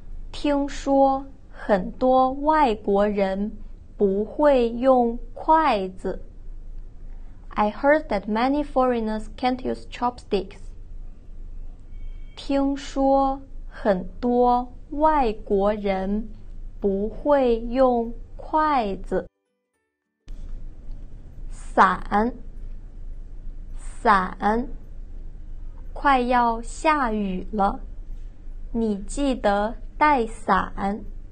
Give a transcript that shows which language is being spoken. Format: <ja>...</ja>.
<zh>听说很多外国人不会用筷子。</zh> <en>I heard that many foreigners can't use chopsticks.</en> <zh>听说很多外国人不会用筷子。伞，伞。快要下雨了，你记得带伞。</zh>